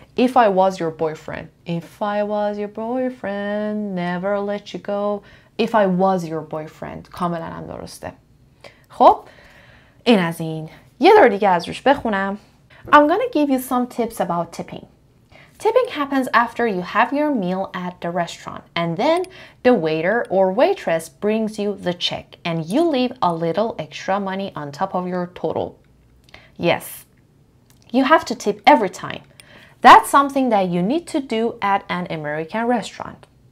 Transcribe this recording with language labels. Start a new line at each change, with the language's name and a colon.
English: if I was your boyfriend if I was your boyfriend never let you go if I was your boyfriend
Persian: کاملا هم درسته خب این از این یه دور دیگه از روش بخونم
English: I'm gonna give you some tips about tipping Tipping happens after you have your meal at the restaurant and then the waiter or waitress brings you the check and you leave a little extra money on top of your total. Yes, you have to tip every time. That's something that you need to do at an American restaurant.